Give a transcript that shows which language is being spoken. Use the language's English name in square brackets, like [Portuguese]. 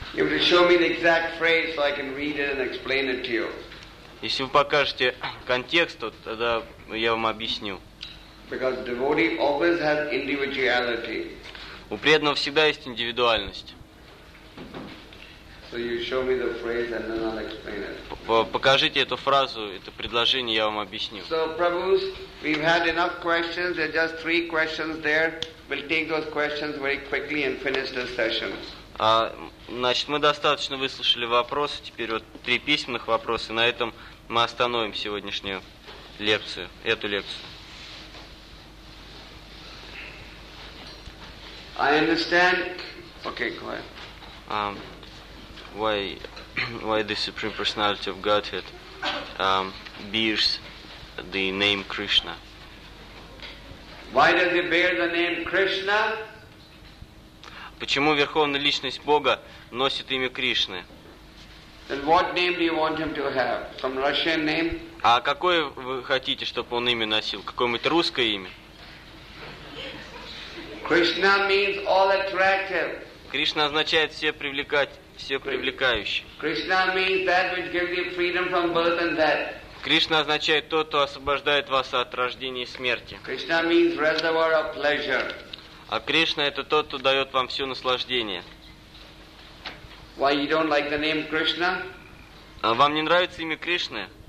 [English] You have to show me the exact phrase so I can read it and explain it to you. [Russian] Если вы покажете контекст, то тогда я вам объясню. [English] Because devotee always has individuality. [Russian] У преданного всегда есть индивидуальность. [English] So you show me the phrase and then I'll explain it. [Russian] Покажите эту фразу, это предложение, я вам объясню. [English] So, Prabhu, we've had enough questions. There are just three questions there. We'll take those questions very quickly and finish the session. [Russian] Значит, мы достаточно выслушали вопросы, теперь вот три письменных вопроса, на этом мы остановим сегодняшнюю лекцию, эту лекцию. [English] I understand. Okay, go ahead. Why the Supreme Personality of Godhead bears the name Krishna? Why does he bear the name Krishna? [Russian] Почему Верховная Личность Бога носит имя Кришны? [English] Then what name do you want him to have? Some Russian name? [Russian] А какое вы хотите, чтобы он имя носил? Какое-нибудь русское имя? [English] Krishna means all attractive. [Russian] Кришна означает все привлекать, все привлекающие. [English] Krishna means that which gives you freedom from birth and death. [Russian] Кришна означает то, что освобождает вас от рождения и смерти. [English] Krishna means reservoir of pleasure. [Russian] А Кришна это тот, кто дает вам все наслаждение. [English] Why you don't like the name Krishna? [Russian] А вам не нравится имя Кришны?